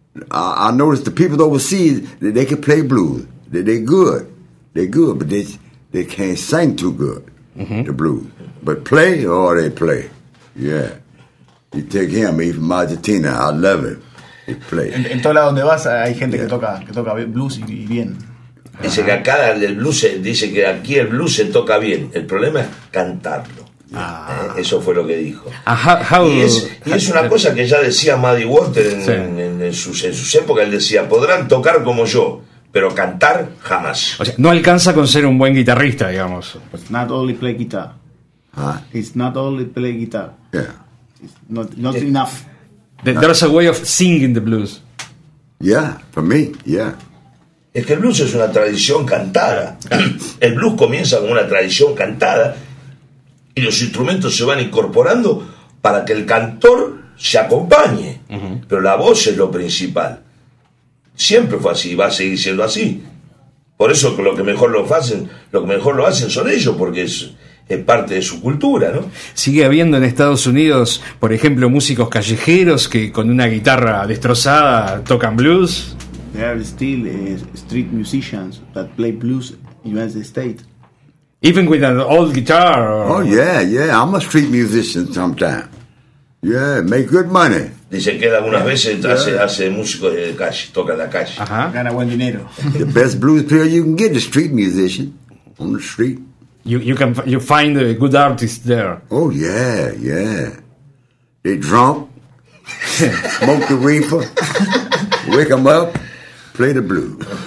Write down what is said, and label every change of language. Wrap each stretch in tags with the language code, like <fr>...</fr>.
<en>I noticed the people overseas that they can play blues. They're good, but they can't sing too good. Mm-hmm. The blues, but they play. Yeah, you take him. He's from Argentina. I love him. He plays.</en> <es>En todo lado donde vas hay gente que toca blues y bien. Dice que acá el blues, dice que aquí el blues se toca bien. El problema es cantarlo. Eso fue lo que dijo. Y es una cosa que ya decía Muddy Waters en sus épocas. Él decía, podrán tocar como yo, pero cantar jamás. O sea, no alcanza con ser un buen guitarrista, digamos.</es> <en>It's not only play guitar. Huh? It's not only play guitar. Yeah. It's not enough. There's a way of singing the blues. Yeah, for me, yeah.</en> <es>Es que el blues es una tradición cantada. El blues comienza con una tradición cantada. Y los instrumentos se van incorporando para que el cantor se acompañe. Uh-huh. Pero la voz es lo principal. Siempre fue así y va a seguir siendo así. Por eso lo que mejor lo hacen son ellos, porque es parte de su cultura, ¿no? ¿Sigue habiendo en Estados Unidos, por ejemplo, músicos callejeros que con una guitarra destrozada tocan blues?</es> <en>There are still street musicians that play blues in the United States. Even with an old guitar. Oh, yeah, yeah. I'm a street musician sometimes. Yeah, make good money.</en> <es>Dice que algunas veces hace músico de calle, toca en la calle. Uh-huh. Gana buen dinero.</es> <en>The best blues player you can get is a street musician on the street. You can find a good artist there. Oh, yeah, yeah. They drunk, smoke the reefer, wake them up, play the blues.</en>